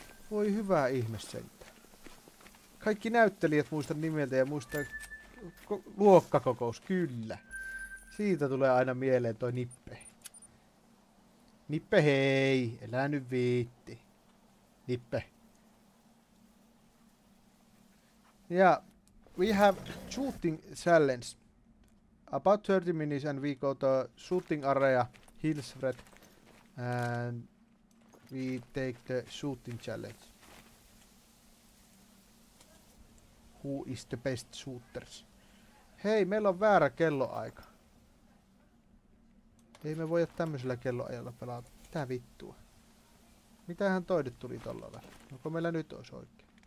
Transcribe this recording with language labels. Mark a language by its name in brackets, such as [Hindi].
[Finnish] Voi hyvää ihme sentä. Kaikki näyttelijät muistan nimeltä ja muistan luokkakokous, kyllä. Siitä tulee aina mieleen toi Nippe. Nippe hei, elää nyt viitti. Nippe. Ja [English] we have shooting challenge. About 30 minutes and we go to shooting area, Hillsred. And we take the shooting challenge. Who is the best shooters? [Finnish] Hei, meillä on väärä kelloaika. Ei me voida tämmöisellä kelloajalla pelaa. Mitä vittua? Mitähän toi nyt tuli tolla väliin? No, kun meillä nyt olisi oikein?